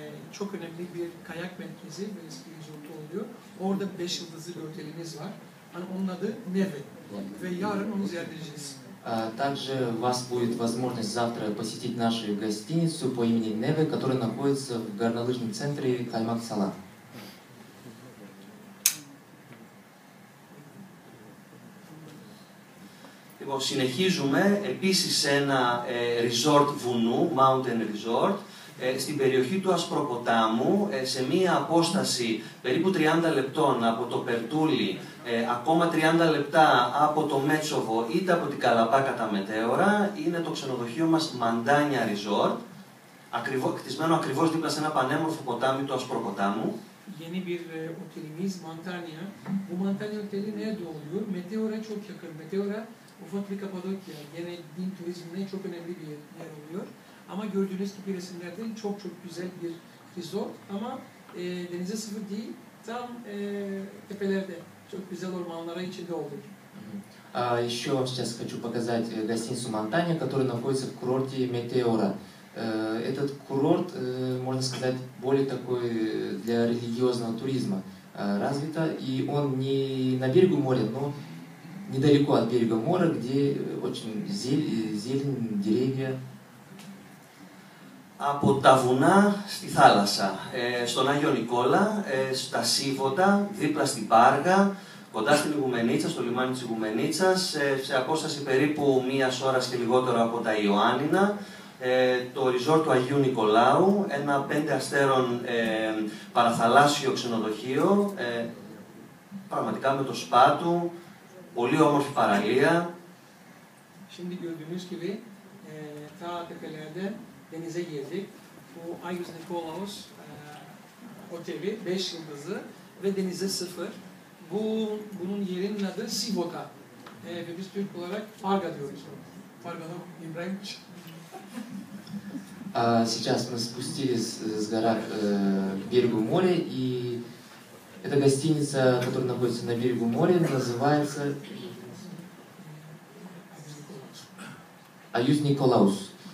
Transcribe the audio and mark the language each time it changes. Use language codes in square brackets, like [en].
[tr] Çok önemli bir kayak merkezi ve eski resort oluyor. Orada 5 yıldızlı bir otelimiz var. Hani onun adı Neve. Ve yarın onu ziyaret edeceğiz. [ru] Также у вас будет возможность завтра посетить нашу гостиницу по имени Неве, которая находится в горнолыжном центре Каймак Салан. [el] Λοιπόν, συνεχίζουμε επίσης σε ένα resort βουνού, mountain resort, στην περιοχή του Ασπροποτάμου, σε μία απόσταση περίπου 30 λεπτών από το Περτούλι, ακόμα 30 λεπτά από το Μέτσοβο είτε από την Καλαμπάκα τα Μετέωρα, είναι το ξενοδοχείο μας Μαντάνια Resort, κτισμένο ακριβώς δίπλα σε ένα πανέμορφο ποτάμι του Ασπροποτάμου. [tr] Yeni bir otelimiz Mantania. Bu Mantania oteli nerede oluyor? Meteora çok yakın. Meteora ufak bir Kapadokya. Yine din turizmine çok önemli bir yer oluyor. Ama gördüğünüz gibi resimlerde çok çok güzel bir resort. Ama denize sıfır değil. Tam tepelerde. Çok güzel ormanlara içinde olduk. [ru] Еще вам сейчас хочу показать гостиницу Mantania, которая находится в курорте Meteora. Этот курорт, можно сказать, более такой для религиозного туризма развита, и он не на берегу моря, но недалеко от берега моря, где очень зелень, деревья. [el] Από τα βουνά στη θάλασσα, στον Άγιο Νικόλα, στα Σίβωτα, δίπλα στην Πάργα, κοντά στην Ιγουμενίτσα, στο λιμάνι της Ιγουμενίτσας, σε απόσταση περίπου μίας ώρας και λιγότερο από τα Ιωάννινα, το ριζόρ του Αγίου Νικολάου, ένα 5 αστέρων παραθαλάσσιο ξενοδοχείο, πραγματικά με το σπά του, πολύ όμορφη παραλία. [tr] Şimdi gördüğünüz gibi ta tepelerde denize girdik. Bu Agios Nikolaos oteli 5 yıldızlı ve denize sıfır. Bunun yerinin adı Sivota. Ve biz Türk olarak Parga diyoruz. Parga'da İbrahim çıktı. [ru] Сейчас мы спустились с горы к берегу моря, и эта гостиница, которая находится на берегу моря, называется Аюз Николаус.